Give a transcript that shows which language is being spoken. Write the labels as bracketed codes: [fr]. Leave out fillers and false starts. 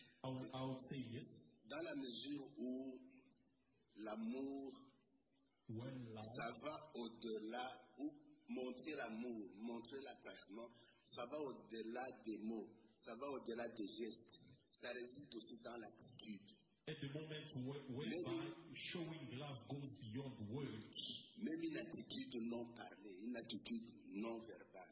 [en] I would say yes. [fr] Dans la mesure où l'amour, [en] when love, [fr] ça va au-delà, ou montrer l'amour, montrer l'attachement, ça va au-delà des mots, ça va au-delà des gestes. Ça réside aussi dans l'attitude. [en] At the moment where showing love goes beyond words. [fr] Même une attitude non parlée, une attitude non verbale.